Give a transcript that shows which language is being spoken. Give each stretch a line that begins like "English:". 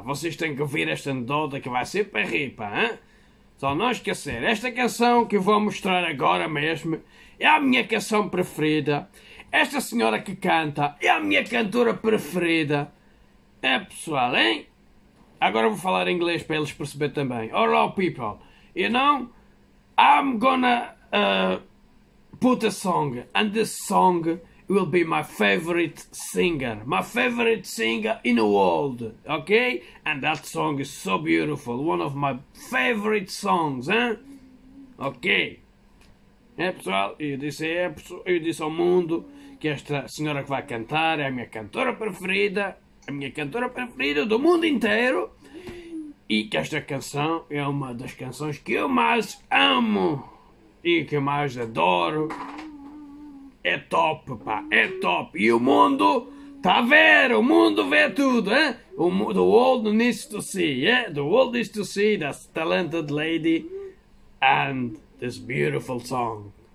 Portuguese: Vocês têm que ouvir esta anedota que vai ser para rir, pá, hein? Só não esquecer, esta canção que eu vou mostrar agora mesmo é a minha canção preferida. Esta senhora que canta é a minha cantora preferida. É, pessoal, hein? Agora vou falar inglês para eles perceber também.
English: Hello, people. You know, I'm gonna put a song, and this song will be my favorite singer. My favorite singer in the world, okay? And that song is so beautiful. One of my favorite songs, hein? Okay.
Portuguese: É, pessoal, eu disse ao mundo que esta senhora que vai cantar é a minha cantora preferida. A minha cantora preferida do mundo inteiro. E que esta canção é uma das canções que eu mais amo e que eu mais adoro. É top, pá, é top. E o mundo está a ver, o mundo vê tudo, hein?
English: The world needs to see, yeah? The world needs to see this talented lady and this beautiful song.